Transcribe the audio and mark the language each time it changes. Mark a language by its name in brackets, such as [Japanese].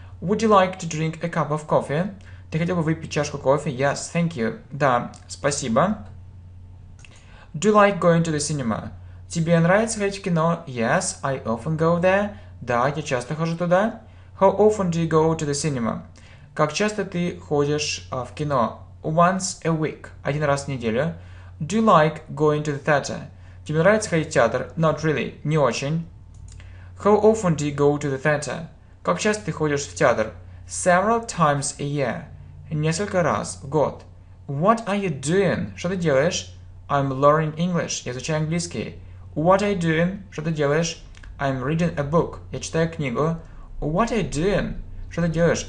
[English] Would you like to drink a cup of coffee? [Russian] Ты хотел бы выпить чашку кофе? [English] Yes, thank you. [Russian] Да, спасибо. [English] Do you like going to the cinema? [Russian] Тебе нравится ходить в кино? [English] Yes, I often go there. [Russian] Да, я часто хожу туда. [English] How often do you go to the cinema? [Russian] Как часто ты ходишь в кино? [English] Once a week. [Russian] Один раз в неделю. [English] Do you like going to the theater? [Russian] Тебе нравится ходить в театр? [English] Not really. [Russian] Не очень. [English] How often do you go to the theater? [Russian] Как часто ты ходишь в театр? [English] Several times a year. [Russian] Несколько раз в год. [English] What are you doing? [Russian] Что ты делаешь? [English] I'm learning English. [Russian] Я изучаю английский. [English] What are you doing? Что ты делаешь? I'm reading a book. [Russian] Я читаю книгу. [English] What are you doing? [Russian] Что ты делаешь?